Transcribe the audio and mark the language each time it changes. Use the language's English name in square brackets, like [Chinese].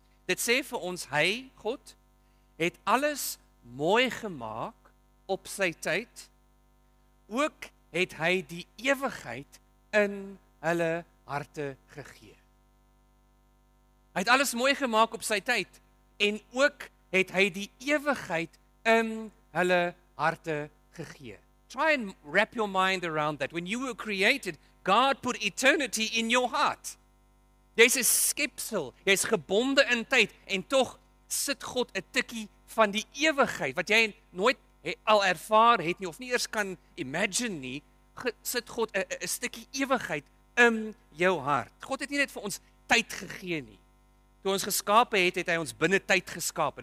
[Afrikaans] Dit sê vir ons, hy, God, het alles mooi gemaak op sy tyd, ook het hy die ewigheid in hulle harte gegee. Hy het alles mooi gemaak op sy tyd, en ook het hy die ewigheid in hulle harte gegee. [English] Try and wrap your mind around that. When you were created, God put eternity in your heart. [Afrikaans] Jy's 'n skepsel, jy's gebonde in tyd, en tog sit God 'n tikkie van die ewigheid, wat jy nooit al ervaar het nie, of nie eers kan imagine nie, sit God 'n stukkie ewigheid in jou hart. God het nie net vir ons tyd gegee nie. Toe ons geskape het, het hy ons binne tyd geskape.